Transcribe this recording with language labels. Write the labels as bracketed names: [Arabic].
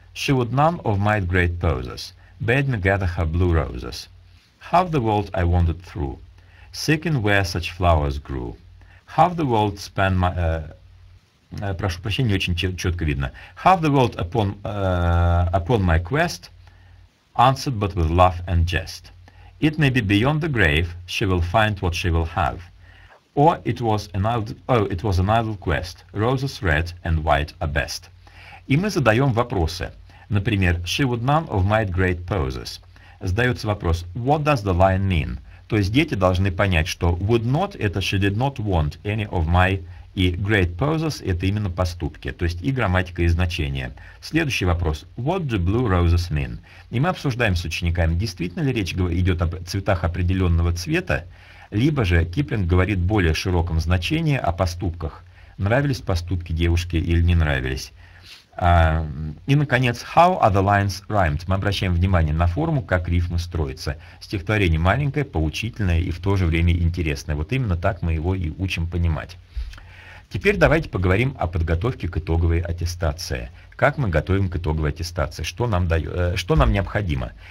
[English] She would none of my great poses, bade me gather her blue roses. Half the world I wandered through, seeking where such flowers grew. Half the world span my... [Russian] прошу прощения, не очень четко видно. [English] Half the world upon my quest, answered but with laugh and jest. It may be beyond the grave, she will find what she will have. Or it was an idle quest, roses red and white are best». [Russian] И мы задаем вопросы. Например, [English] «She would none of my great poses». [Russian] Задается вопрос, [English] «What does the line mean?» [Russian] То есть дети должны понять, что [English] «would not» [Russian] — это [English] «she did not want any of my [Russian] И [English] great poses [Russian] – это именно поступки, то есть и грамматика, и значение. Следующий вопрос. [English] What do blue roses mean? [Russian] И мы обсуждаем с учениками, действительно ли речь идет о цветах определенного цвета, либо же Киплинг говорит более широком значении о поступках. Нравились поступки девушки или не нравились? И, наконец, [English] how are the lines rhymed? [Russian] Мы обращаем внимание на форму, как рифма строится. Стихотворение маленькое, поучительное и в то же время интересное. Вот именно так мы его и учим понимать. Теперь давайте поговорим о подготовке к итоговой аттестации. Как мы готовим к итоговой аттестации? Что нам необходимо?